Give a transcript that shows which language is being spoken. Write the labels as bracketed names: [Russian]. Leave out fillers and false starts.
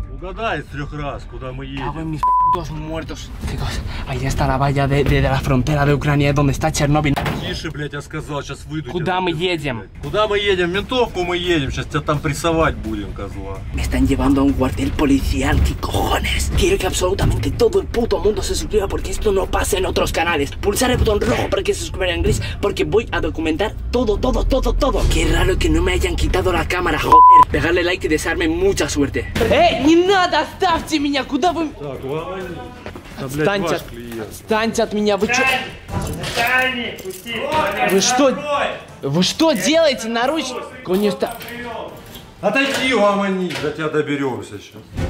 [Russian] Угадай с трех раз, куда мы едем. Да вы мис п***ос muertos. [Spanish] Chicos, ahí está la valla de la frontera de Ucrania, donde está Chernobyl. [Russian] Тише, блядь, я сказал, сейчас выйду. Куда мы едем? Блядь. Куда мы едем? В ментовку мы едем. Сейчас тебя там прессовать будем, козла. [Spanish] Me están llevando a un cuartel policial, ¿qué cojones? Quiero que absolutamente todo el puto mundo se suscriba porque esto no pasa en otros canales. Pulsar el botón rojo para que se suscriban en inglés porque voy a documentar todo, todo, todo, todo. Qué raro que no me hayan quitado la cámara, joder. Pegarle like y desearme mucha suerte. [Russian] Не надо, оставьте меня, куда вы... Так, ладно. Отстаньте от меня, вы чё? Встань! Пусти! Вы что? Вы что делаете на ручку? Конечно. Отойди, гомони, до тебя доберемся сейчас.